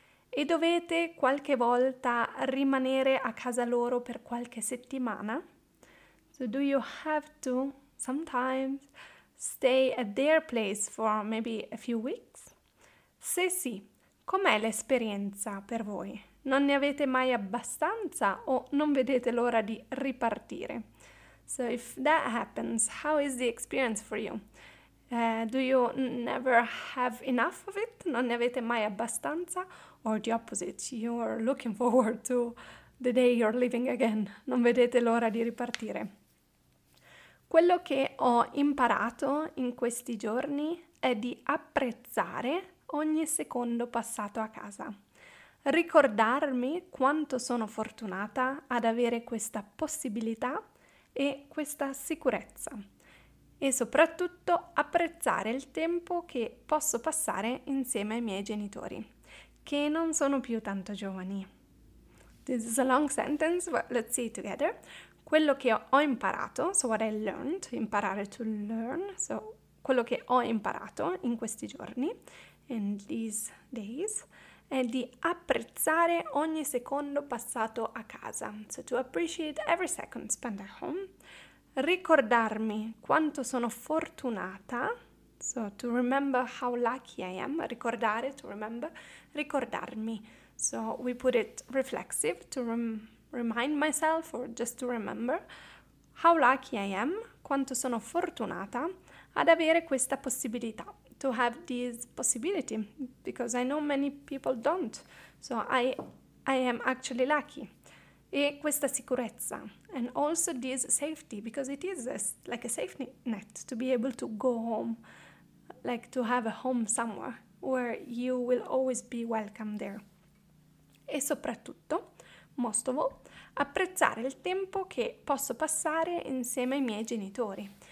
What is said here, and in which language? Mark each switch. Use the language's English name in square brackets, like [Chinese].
[Italian] E dovete qualche volta rimanere a casa loro per qualche settimana? [English] So do you have to sometimes stay at their place for maybe a few weeks? [Italian] Se sì, com'è l'esperienza per voi? Non ne avete mai abbastanza o non vedete l'ora di ripartire? [English] So if that happens, how is the experience for you? Do you never have enough of it? [Italian] Non ne avete mai abbastanza? [English] Or the opposite, you're looking forward to the day you're living again. [Italian] Non vedete l'ora di ripartire. Quello che ho imparato in questi giorni è di apprezzare ogni secondo passato a casa. Ricordarmi quanto sono fortunata ad avere questa possibilità e questa sicurezza. E soprattutto apprezzare il tempo che posso passare insieme ai miei genitori, che non sono più tanto giovani. [English] This is a long sentence, but let's see it together. [Italian] Quello che ho imparato, [English] so what I learned, [Italian] imparare [English] to learn, [Italian] so quello che ho imparato in questi giorni, [English] in these days, [Italian] è di apprezzare ogni secondo passato a casa. [English] So to appreciate every second spent at home. [Italian] Ricordarmi quanto sono fortunata, [English] so to remember how lucky I am, ricordare, to remember, ricordarmi, so we put it reflexive, to remind myself or just to remember, how lucky I am, [Italian] quanto sono fortunata ad avere questa possibilità, [English] to have this possibility, because I know many people don't, so I am actually lucky. [Italian] E questa sicurezza, [English] and also this safety, because it is like a safety net to be able to go home, like to have a home somewhere where you will always be welcome there. [Italian] E soprattutto, [English] most of all, [Italian] apprezzare il tempo che posso passare insieme ai miei genitori.